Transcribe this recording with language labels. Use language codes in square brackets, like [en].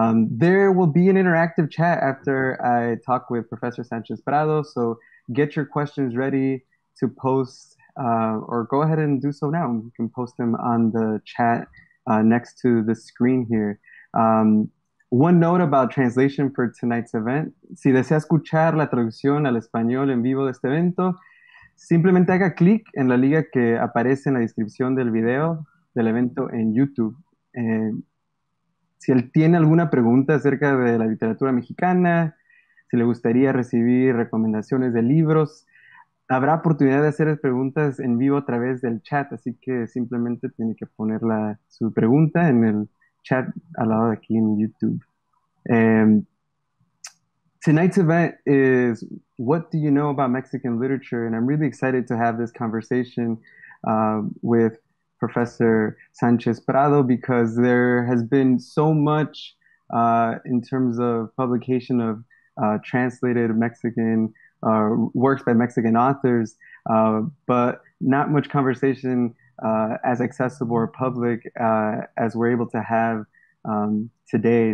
[en] There will be an interactive chat after I talk with Professor Sanchez Prado, so get your questions ready to post, or go ahead and do so now. You can post them on the chat next to the screen here. One note about translation for tonight's event. [es] Si desea escuchar la traducción al español en vivo de este evento, simplemente haga clic en la liga que aparece en la descripción del video del evento en YouTube. Si él tiene alguna pregunta acerca de la literatura mexicana, si le gustaría recibir recomendaciones de libros, habrá oportunidad de hacer preguntas en vivo a través del chat, así que simplemente tiene que poner su pregunta en el chat al lado de aquí en YouTube. [en] Tonight's event is What Do You Know About Mexican Literature? And I'm really excited to have this conversation with Professor Sanchez Prado because there has been so much in terms of publication of translated Mexican works by Mexican authors, but not much conversation as accessible or public as we're able to have today.